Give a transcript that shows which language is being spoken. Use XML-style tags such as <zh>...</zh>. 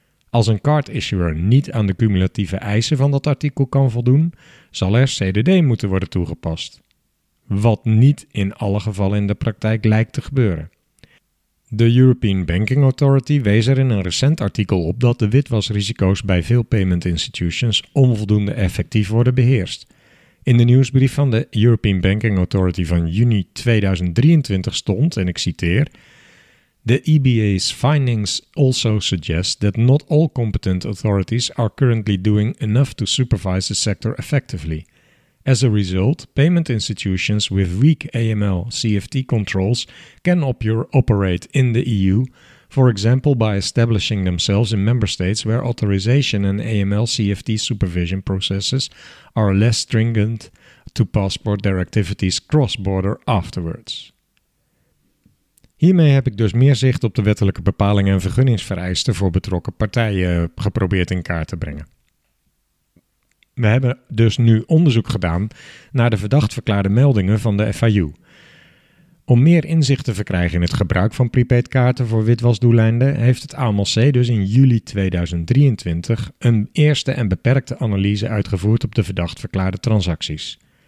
<nl>Als een card-issuer niet aan de cumulatieve eisen van dat artikel kan voldoen, zal er CDD moeten worden toegepast. Wat niet in alle gevallen in de praktijk lijkt te gebeuren. De European Banking Authority wees er in een recent artikel op dat de witwasrisico's bij veel payment institutions onvoldoende effectief worden beheerst. In de nieuwsbrief van de European Banking Authority van juni 2023 stond, en ik citeer,</nl> <en>"The EBA's findings also suggest that not all competent authorities are currently doing enough to supervise the sector effectively. As a result, payment institutions with weak AML-CFT controls can operate in the EU, for example by establishing themselves in member states where authorization and AML-CFT supervision processes are less stringent to passport their activities cross-border afterwards."</en> <nl>Hiermee heb ik dus meer zicht op de wettelijke bepalingen en vergunningsvereisten voor betrokken partijen geprobeerd in kaart te brengen. We hebben dus nu onderzoek gedaan naar de verdacht verklaarde meldingen van de FIU. Om meer inzicht te verkrijgen in het gebruik van prepaidkaarten voor witwasdoeleinden, heeft het AMLC dus in juli 2023 een eerste en beperkte analyse uitgevoerd op de verdacht verklaarde transacties.</nl>